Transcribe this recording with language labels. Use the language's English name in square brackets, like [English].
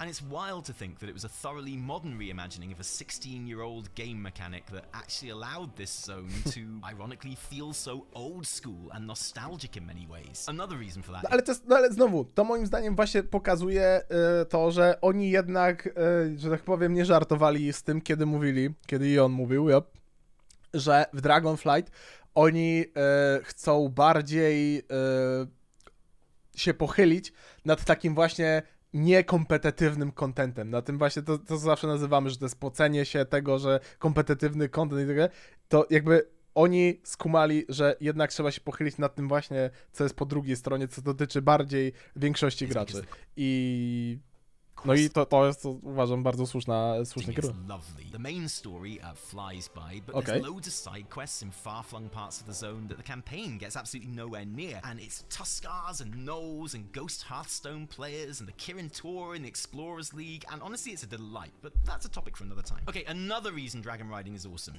[English] And it's wild to think that it was a thoroughly modern reimagining of a 16-year-old game mechanic that actually allowed this zone to ironically feel so old school and nostalgic in many ways. Another reason for that. [Polish] Ale znowu, to moim zdaniem właśnie pokazuje to, że oni jednak, że tak powiem, nie żartowali z tym, kiedy mówili, kiedy i on mówił, yep, że w Dragonflight oni chcą bardziej się pochylić nad takim właśnie niekompetytywnym contentem. Na tym właśnie to zawsze nazywamy, że to jest pocenie się tego, że kompetytywny content i tak dalej, to jakby oni skumali, że jednak trzeba się pochylić nad tym właśnie, co jest po drugiej stronie, co dotyczy bardziej większości graczy. I... No i to jest, to uważam, bardzo słuszny kierunek. [English] The main story flies by, but there's loads of side quests in far-flung parts of the zone that the campaign gets absolutely nowhere near. And it's Tuskars and Gnolls and Ghost Hearthstone players and the Kirin Tor in the Explorers League. And honestly, it's a delight, but that's a topic for another time. Okay, another reason dragon riding is awesome.